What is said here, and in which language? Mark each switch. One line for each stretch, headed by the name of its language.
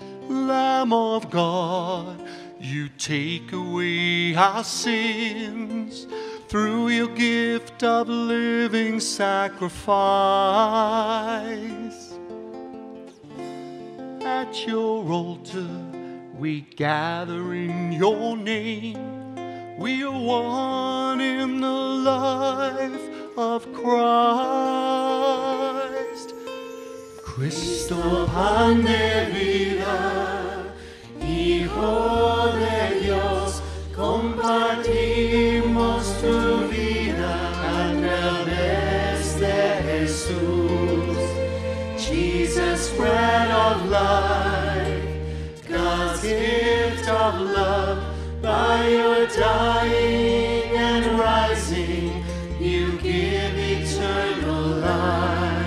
English: Lamb of God, you take away our sins through your gift of living sacrifice. At your altar, we gather in your name. We are one in the life of Christ.
Spanish: Cristo pan de vida, Hijo de Dios, compartimos tu vida a través de Jesús.
English: Jesus, bread of life, God's gift of love, by your dying and rising, you give eternal life.